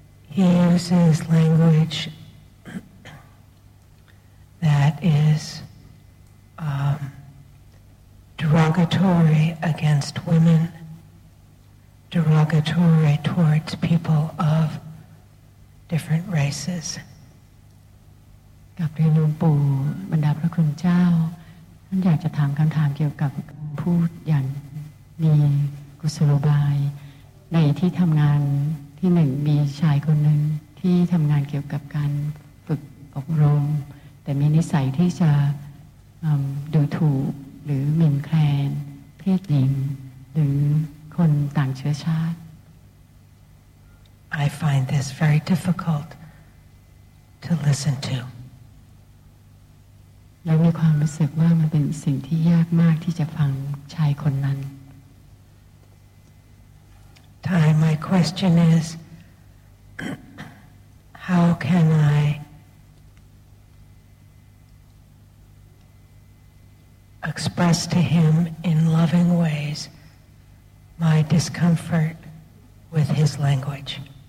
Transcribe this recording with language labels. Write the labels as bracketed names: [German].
[English] He uses language that is derogatory against women, derogatory towards people of different races. [Thai] กับเรียนหลวงปู่บรรดาพระคุณเจ้าท่านอยากจะถามคำถามเกี่ยวกับการพูดอย่างมีกุศโลบายในที่ทำงานที่หนึ่งมีชายคนหนึ่งที่ทำงานเกี่ยวกับการฝึกอบรมแต่มีนิสัยที่จะดูถูกหรือหมิ่นแคลนเพศหญิงหรือคนต่างเชื้อชาติ [English] I find this very difficult to listen to [Thai] แล้วมีความรู้สึกว่ามันเป็นสิ่งที่ยากมากที่จะฟังชายคนนั้น [English] time, my question is, how can I express to him in loving ways my discomfort with his language?